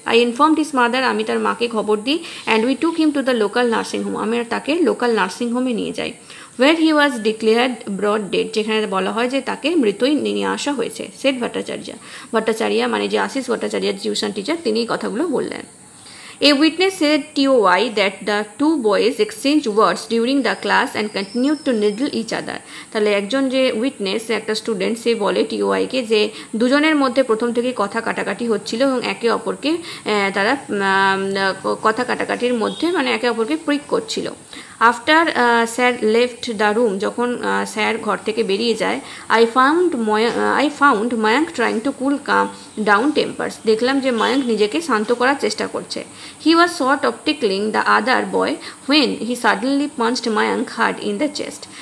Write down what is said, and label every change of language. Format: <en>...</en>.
<en>I informed his mother,</en> <bn>আমি তার মাকে খবর দিই,</bn> <en>and we took him to the local nursing home,</en> <bn>আমি আর তাকে লোকাল নার্সিংহোমে নিয়ে যাই।</bn> <en>where he was declared brought dead,</en> <bn>যেখানে বলা হয় যে তাকে মৃতই নিয়ে আসা হয়েছে, সেট ভট্টাচার্য মানে যে আশিস ভট্টাচার্য টিউশন টিচার, তিনি এই কথাগুলো বললেন।</bn> <en>A witness said TOI that the two boys exchanged words during the class and continued to needle each other.</en> <bn>তাহলে একজন যে উইটনেস, একটা স্টুডেন্ট, সে বলে TOIকে যে দুজনের মধ্যে প্রথম থেকে কথা কাটাকাটি হচ্ছিল এবং একে অপরকে তারা কথা কাটাকাটির মধ্যে মানে একে অপরকে প্রিক করছিল।</bn> <en>After sir left the room,</en> <bn>jokhon sir ghor theke beriye jay,</bn> <en>I found Mayank trying to cool down tempers.</en> <bn>Dekhlam je Mayank nijeke shanto korar chesta korche.</bn> <en>He was sort of tickling the other boy when he suddenly punched Mayank hard in the chest.</en>